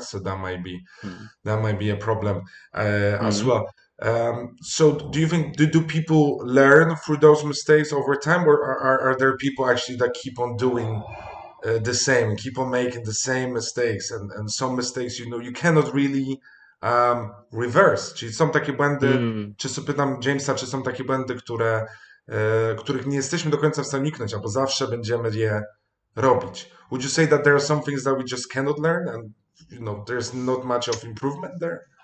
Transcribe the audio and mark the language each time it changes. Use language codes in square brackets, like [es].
[en] So that might be a problem as well. So do you think, do people learn through those mistakes over time, or are there people actually that keep on doing the same, keep on making the same mistakes, and some mistakes, you know, you cannot really reverse? [pl] Czyli są takie błędy, czy zapytam Jamesa, czy są takie błędy, których nie jesteśmy do końca w stanie uniknąć, albo zawsze będziemy je robić. [en] Would you say that there are some things that we just cannot learn, and you know, there's not much of improvement there?